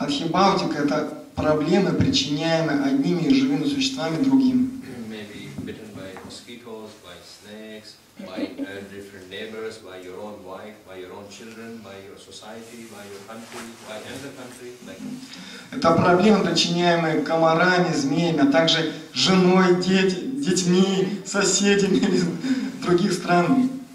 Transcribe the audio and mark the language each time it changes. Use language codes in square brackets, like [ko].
[ru] Адхибхавтика – это проблемы, причиняемые одними и живыми существами другим. [en] Maybe bitten by mosquitoes, by snakes, by different neighbors, by your own wife, by your own children, by your society, by your country, by another country. [ru] Это проблемы, причиняемые комарами, змеями, а также женой, детьми, соседями из других стран.